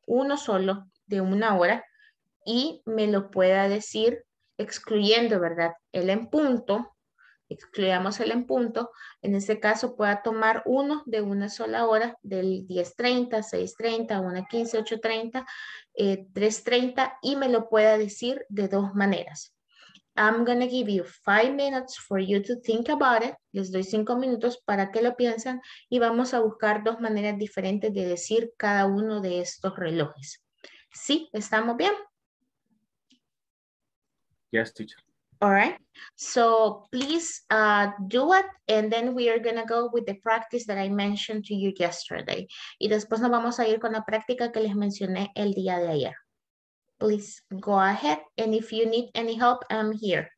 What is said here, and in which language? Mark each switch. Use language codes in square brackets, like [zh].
[es] Uno solo de una hora y me lo pueda decir excluyendo, ¿verdad? El en punto, excluyamos el en punto, en este caso pueda tomar uno de una sola hora, del 10:30, 6:30, 1:15, 8:30, 3:30, y me lo pueda decir de dos maneras. [en] I'm going to give you 5 minutes for you to think about it. [es] Les doy 5 minutos para que lo piensen y vamos a buscar dos maneras diferentes de decir cada uno de estos relojes. ¿Sí? ¿Estamos bien? [en] Yes, teacher. All right. So please do it. And then we are going to go with the practice that I mentioned to you yesterday. [es] Y después nos vamos a ir con la práctica que les mencioné el día de ayer. [en] Please go ahead. And if you need any help, I'm here.